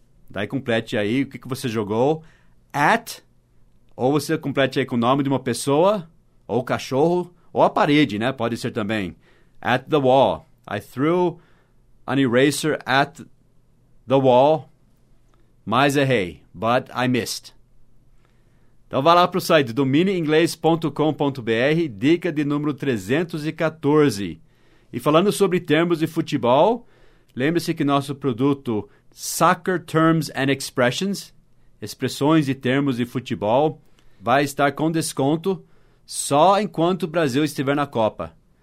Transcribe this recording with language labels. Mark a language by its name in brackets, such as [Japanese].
[Portuguese] Daí complete aí o que, que você jogou. At. Ou você complete aí com o nome de uma pessoa. Ou cachorro. Ou a parede, né? Pode ser também. [English] At the wall. I threw an eraser at the wall. [Portuguese] Mas errei. [English] But I missed. [Portuguese] Então vá lá para o site domineinglês.com.br. Dica de número 314. E falando sobre termos de futebol, lembre-se que nosso produto Soccer Terms and Expressions, expressões e termos de futebol, vai estar com desconto só enquanto o Brasil estiver na Copa.